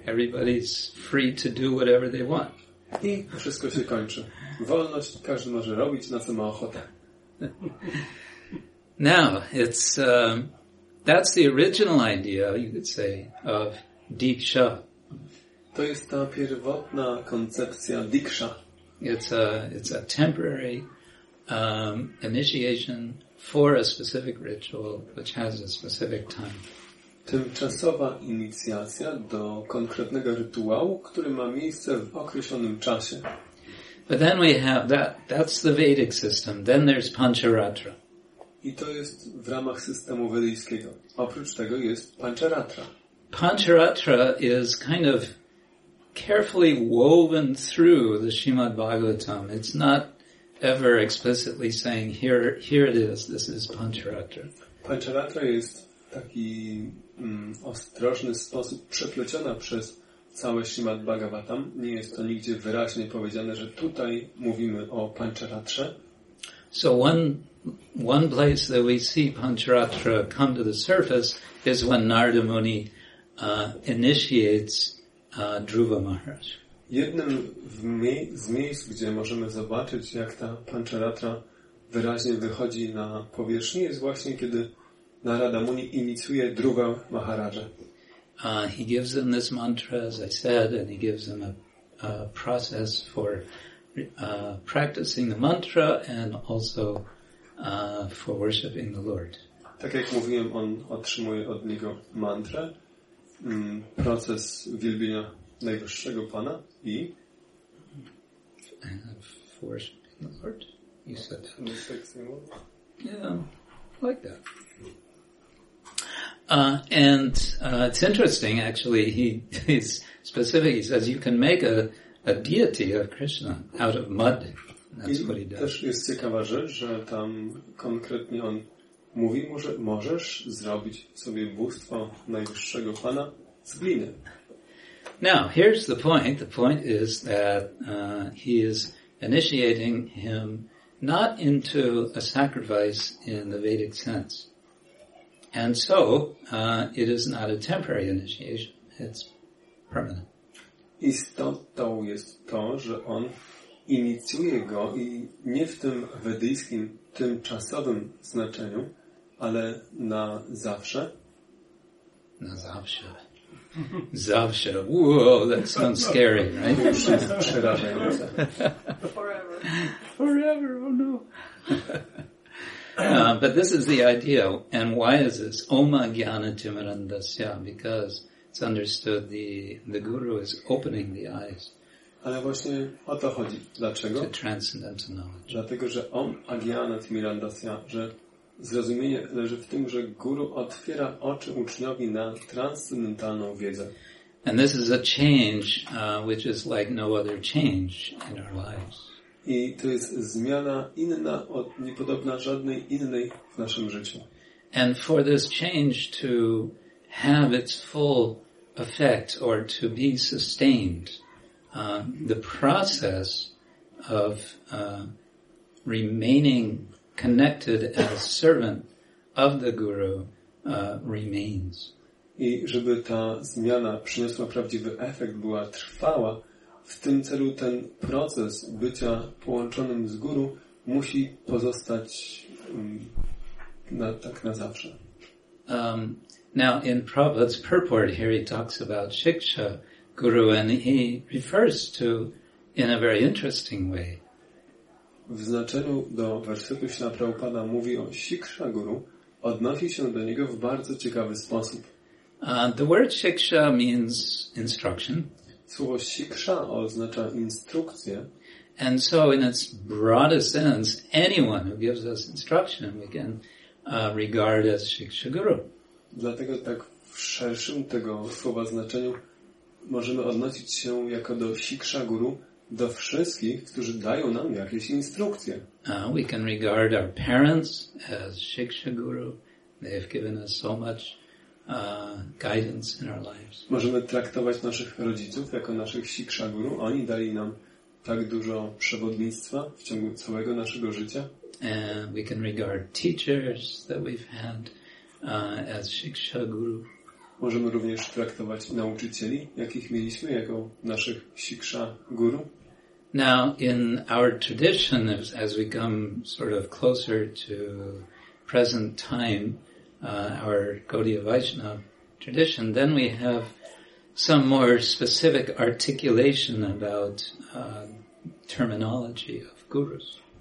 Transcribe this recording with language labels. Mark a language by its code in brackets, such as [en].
[en] Everybody's free to do whatever they want. [pl] I wszystko się kończy. Wolność, każdy może robić, na co ma ochotę. [en] Now, it's... That's the original idea, you could say, of diksha. [pl] To jest ta pierwotna koncepcja diksha. [en] It's a temporary initiation for a specific ritual which has a specific time. [pl] Tymczasowa inicjacja do konkretnego rytuału, który ma miejsce w określonym czasie. [en] But then we have that's the Vedic system. Then there's Pancharatra. [pl] I to jest w ramach systemu wedyjskiego. Oprócz tego jest Pancharatra. [en] Pancharatra is kind of carefully woven through the Srimad Bhagavatam. It's not ever explicitly saying, here it is, this is Pancharatra. [pl] Pancharatra jest taki ostrożny sposób przepleciona przez całe Srimad Bhagavatam. Nie jest to nigdzie wyraźnie powiedziane, że tutaj mówimy o Pancharatrze. [en] So one place that we see Pancharatra come to the surface is when Narada Muni initiates Dhruva Maharaj. [pl] Jednym z miejsc, gdzie możemy zobaczyć, jak ta Pancharatra wyraźnie wychodzi na powierzchnię, jest właśnie, kiedy Narada Muni inicjuje Dhruva Maharaja. [en] He gives them this mantra, as I said, and he gives them a process for practicing the mantra and also for worshiping the Lord. [pl] Tak jak mówiłem, on otrzymuje od niego mantrę, proces wielbienia Najwyższego Pana i [en] for worshiping the Lord. You said that. Yeah, like that. And it's interesting, actually. He's specific. He says you can make a deity of Krishna out of mud. That's what he does. [pl] Też jest ciekawa rzecz, że tam konkretnie on mówi, że możesz zrobić sobie bóstwo Najwyższego Pana z gliny. [en] Now, here's the point. The point is that he is initiating him not into a sacrifice in the Vedic sense. And so, it is not a temporary initiation. It's permanent. [pl] Istotą jest to, że on inicjuje go i nie w tym wedyjskim, tymczasowym znaczeniu, ale na zawsze. Na zawsze. Zawsze. [en] Wow, that sounds scary, right? [pl] Już jest przerażające. [en] Forever, oh no. But this is the idea. And why is this? [sa] Oma jnana timirandasya. [en] Because it's understood the guru is opening the eyes. [pl] Ale właśnie o to chodzi. Dlaczego? [en] To transcendental knowledge. [pl] Dlatego, że on [sa] agiana timirandasya, [pl] że zrozumienie leży w tym, że guru otwiera oczy uczniowi na transcendentalną wiedzę. [en] And this is a change which is like no other change in our lives. [pl] I to jest zmiana inna od niepodobna żadnej innej w naszym życiu. [en] And for this change to have its full effect or to be sustained, the process of remaining connected as servant of the guru remains. [pl] I żeby ta zmiana przyniosła prawdziwy efekt, była trwała, w tym celu ten proces bycia połączonym z guru musi pozostać tak na zawsze. [en] Now in Prabhupada's purport here he talks about Shiksha Guru and he refers to in a very interesting way. [pl] W znaczeniu do wersetu Śla Prabhupada mówi o Shiksha Guru, odnosi się do niego w bardzo ciekawy sposób. [en] The word Shiksha means instruction. [pl] Słowo Shiksha oznacza instrukcję. [en] And so in its broadest sense, anyone who gives us instruction we can regard as Shiksha Guru. [pl] Dlatego tak w szerszym tego słowa znaczeniu możemy odnosić się jako do Shiksha Guru, do wszystkich, którzy dają nam jakieś instrukcje. [en] We can regard our parents as Shiksha Guru. They have given us so much guidance in our lives. [pl] Możemy traktować naszych rodziców jako naszych Shiksha Guru. Oni dali nam tak dużo przewodnictwa w ciągu całego naszego życia. [en] And we can regard teachers that we've had as Shiksha Guru. [pl] Możemy również traktować nauczycieli, jakich mieliśmy, jako naszych Shiksha Guru. [en] Now, in our tradition, as we come sort of closer to present time, our Gaudiya Vaishnava tradition, then we have some more specific articulation about terminology of gurus.